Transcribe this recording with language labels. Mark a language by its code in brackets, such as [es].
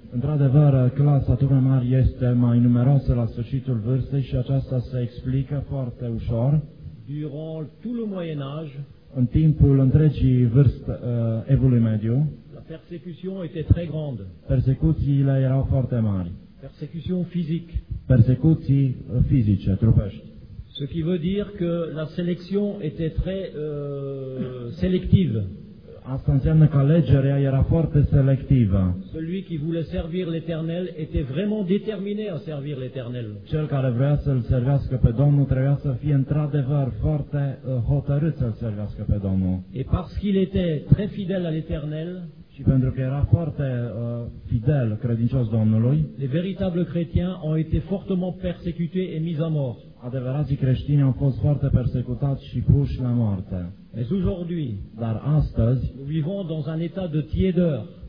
[ro] Într-adevăr, clasa turmei mari este mai numeroasă la sfârșitul vârstei și aceasta se explică foarte ușor. [fr] Durant tout le Moyen Âge, [ro] în timpul întregii vârste evului mediu, [fr] la persecution était très grande. [ro] Persecuțiile erau foarte mari. [fr] Persecution physique. [ro] Persecuții fizice, trupești. [fr] Ce qui veut dire que la sélection était très sélective. [ro] Asta înseamnă că alegerea era foarte selectivă. [fr] Celui qui voulait servir l'Éternel était vraiment déterminé à servir l'Éternel. [ro] Cel care vrea să-l servească pe Domnul trebuia să fie într-adevăr foarte hotărât să-l servească pe Domnul. [fr] Et parce qu'il était très fidèle à l'Éternel, [ro] și pentru că era foarte fidel, credincios Domnului, [fr] les véritables chrétiens ont été fortement persécutés et mis à mort. [ro] Adevărații creștini au fost foarte persecutați și puși la moarte. [fr] Mais aujourd'hui, [ro] dar astăzi, [fr] nous vivons dans un état de tiédeur.